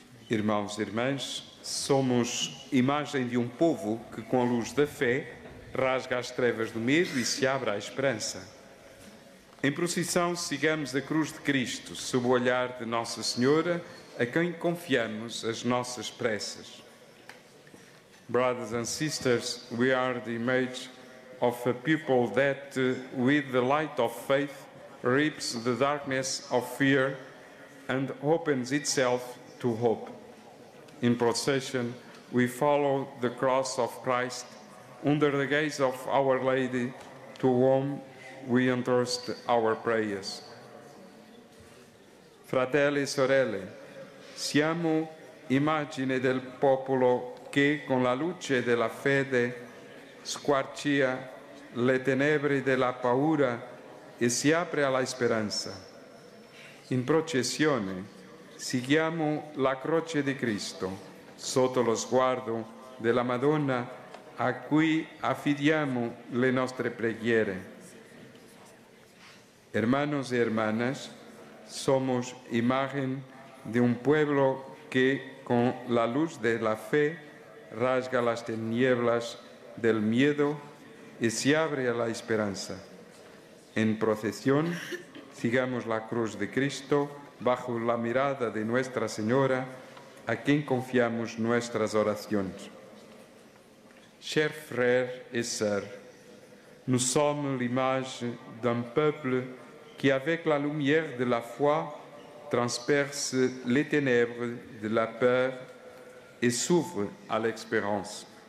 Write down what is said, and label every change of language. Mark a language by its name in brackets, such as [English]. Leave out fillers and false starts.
[Portuguese] Irmãos e irmãs, somos imagem de um povo que, com a luz da fé, rasga as trevas do medo e se abre à esperança. Em procissão, sigamos a cruz de Cristo, sob o olhar de Nossa Senhora, a quem confiamos as nossas preces. [English] Brothers and sisters, we are the image of a people that, with the light of faith, rips the darkness of fear and opens itself to hope. In procession, we follow the cross of Christ under the gaze of Our Lady, to whom we entrust our prayers. [Italian] Fratelli e sorelle, siamo immagine del popolo che con la luce della fede squarcia le tenebre della paura e si apre alla speranza. In processione, seguiamo la croce di Cristo sotto lo sguardo della Madonna a cui affidiamo le nostre preghiere. [Spanish] Hermanos e hermanas, somos imagen de un pueblo que con la luz de la fe rasga las tinieblas del miedo y se abre a la esperanza. En procesión, sigamos la cruz de Cristo bajo la mirada de Nuestra Señora, a quien confiamos nuestras oraciones. [French] Chers frères et sœurs, nous sommes l'image d'un peuple qui, avec la lumière de la foi, transperce les ténèbres de la peur et s'ouvre à l'espérance.